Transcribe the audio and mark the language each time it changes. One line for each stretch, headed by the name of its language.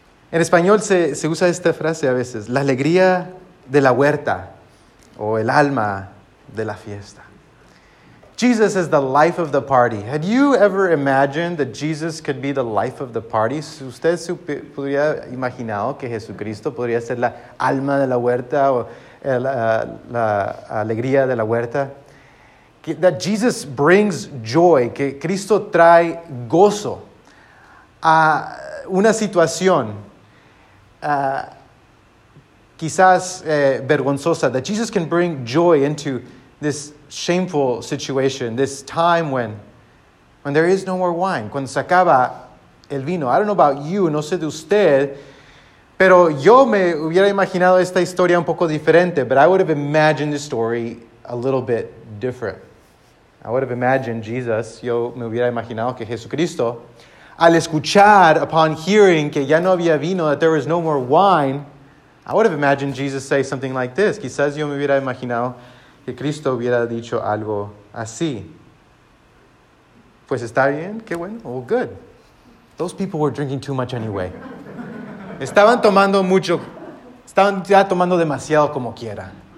Spanish: En español se usa esta frase a veces, la alegría de la huerta, o el alma de la fiesta.
English: Jesus is the life of the party. Had you ever imagined that Jesus could be the life of the party?
Spanish: ¿Usted podría imaginar que Jesucristo podría ser la alma de la huerta o la alegría de la huerta?
English: That Jesus brings joy,
Spanish: que Cristo trae gozo a una situación quizás vergonzosa.
English: That Jesus can bring joy into this shameful situation, this time when there is no more wine,
Spanish: cuando se acaba el vino.
English: I don't know about you,
Spanish: no sé de usted, pero yo me hubiera imaginado esta historia un poco diferente,
English: but I would have imagined the story a little bit different. I would have imagined Jesus,
Spanish: yo me hubiera imaginado que Jesucristo, al escuchar,
English: upon hearing
Spanish: que ya no había vino,
English: that there was no more wine, I would have imagined Jesus say something like this.
Spanish: Quizás yo me hubiera imaginado que Cristo hubiera dicho algo así. Pues está bien, qué bueno,
English: well, good. Those people were drinking too much anyway.
Spanish: Estaban tomando mucho, estaban ya tomando demasiado como quiera.